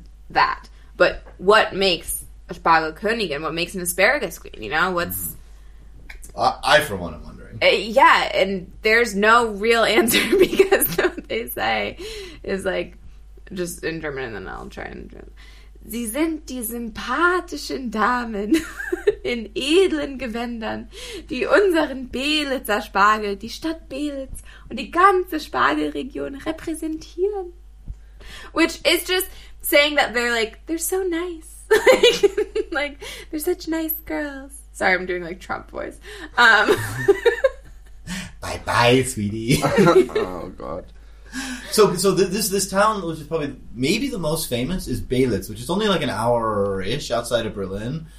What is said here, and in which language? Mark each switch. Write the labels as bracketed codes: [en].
[en] That, but what makes a Spargelkönigin? What makes an asparagus queen? You know, what's I for one am wondering. wondering. Yeah, and there's no real answer because what they say is like just in German, and then I'll try in German. [de] Sie sind die sympathischen Damen in edlen Gewändern, die unseren Belitzer Spargel, die Stadt Belitz und die ganze Spargelregion repräsentieren. [en] Which is just saying that they're like, they're so nice. Like, they're such nice girls. Sorry, I'm doing like Trump voice. Bye-bye, sweetie. Oh, God. So this town, which is probably maybe the most famous, is Belitz, which is only like an hour-ish outside of Berlin.